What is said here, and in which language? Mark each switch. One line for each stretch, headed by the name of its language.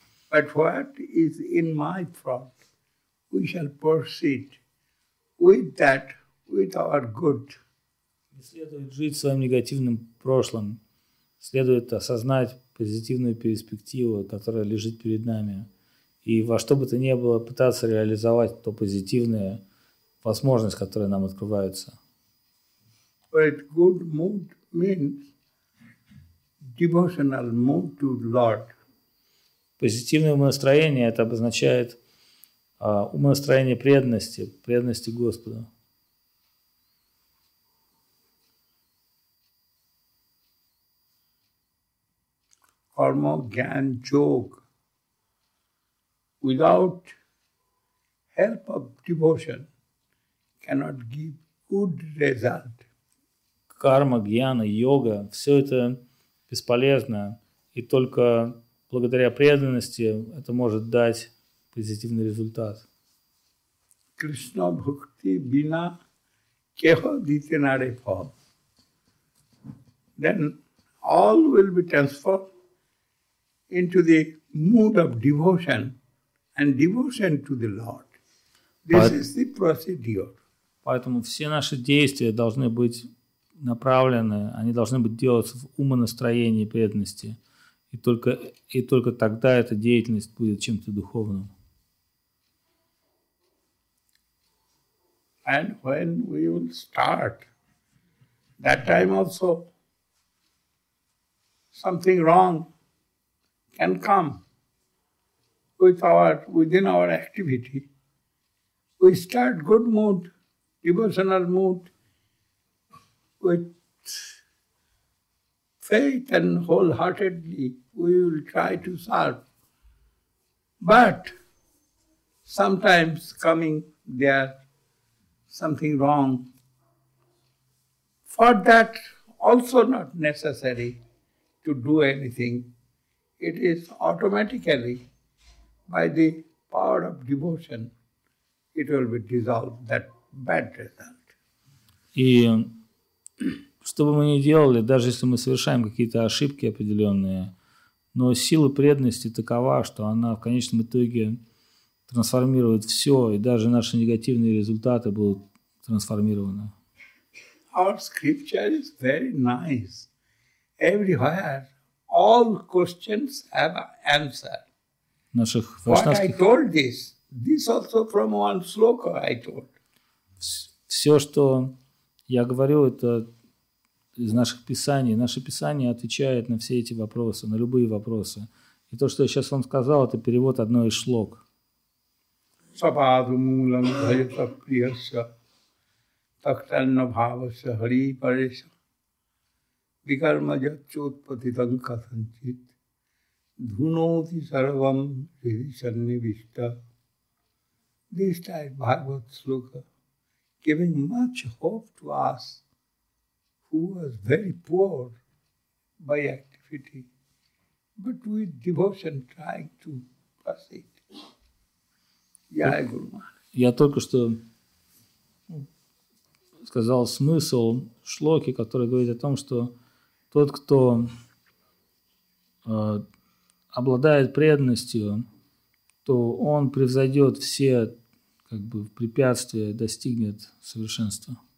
English: But what is in my front, we shall proceed with that, with our good.
Russian: Следует жить своим негативным прошлым, следует осознать позитивную перспективу, которая лежит перед нами, и во что бы то ни было пытаться реализовать то позитивное, возможность, которая нам открывается.
English: But good mood means devotional mood to Lord.
Russian: Позитивное умонастроение – это обозначает умонастроение преданности, преданности Господу.
English: Karma, gyan, jog. Without help of devotion, cannot give good result.
Russian: Карма, гьяна, йога – все это бесполезно, и только благодаря преданности это может дать позитивный результат.
Bangla: Krishna bhakti bina keho dite nare phal.
English: Then all will be transformed into the mood of devotion and devotion to the Lord. This is the procedure.
Russian: Поэтому все наши действия должны быть направлены, они должны быть делаться в умонастроении преданности. И только тогда эта деятельность будет чем-то духовным.
English: And when we will start, that time also something wrong can come within our activity. We start good mood, devotional mood, with faith and wholeheartedly we will try to solve. But sometimes coming there something wrong, for that also not necessary to do anything. It is automatically, by the power of devotion, it will be dissolved, that bad result.
Russian: И что бы мы ни делали, даже если мы совершаем какие-то ошибки определенные, но сила преданности такова, что она в конечном итоге трансформирует все, и даже наши негативные результаты будут трансформированы.
English: Our scripture is very nice. Everywhere. All questions have answer.
Russian: Наших вайшнавских...
English: What I told this also from one sloka I told.
Russian: Все, что я говорю, это из наших писаний. Наше писание отвечает на все эти вопросы, на любые вопросы. И то, что я сейчас вам сказал, это перевод одной из шлок.
Sanskrit: Сападу мулам дхайта приясся, тактанна бхавася хари париса. Викарма ячотпатитан катанчит, dhunoti sarvam hridi sannivishta.
English: This type Bhagavad Sloka, giving much hope to us who was very poor by activity, but with devotion trying to pass it.
Hindi: Jai Guru Maharaj.
Russian: Я только что сказал смысл шлоки, который говорит о том, что тот, кто обладает преданностью, то он превзойдет все как бы препятствия, достигнет совершенства.